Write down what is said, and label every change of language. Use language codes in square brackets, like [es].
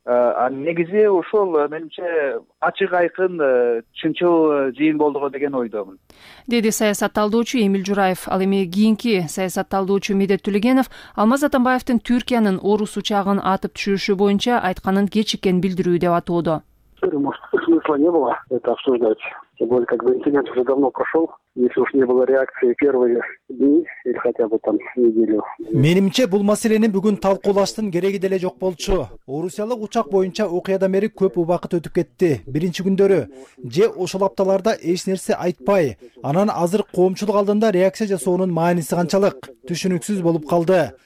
[ky] Анын негизи ошол менимче ачык айкын чынчыл жыйын болдуго деген ойдомун, деди саясат талдоочу Эмил Жураев. Ал эми кийинки саясат талдоочу Медет Түлегенов Алмаз Атамбаевдин Түркиянын орус учагын атып түшүрүшү боюнча айтканын кечиккен билдирүү деп атоодо. [ru] Смысла не было это обсуждать. Тем более, как бы инцидент уже давно прошел. Если уж не было реакции первые дни или хотя бы там неделю. [ky] Менимче бул маселени бүгүн талкуулаштын кереги деле жок болчу. Орусиялык учак боюнча окуядан бери көп убакыт өтүп кетти. Биринчи күндөрү же ошол апталарда эч нерсе айтпай, анан азыр коомчулук алдында реакция жасоонун мааниси канчалык түшүнүксүз болуп калды.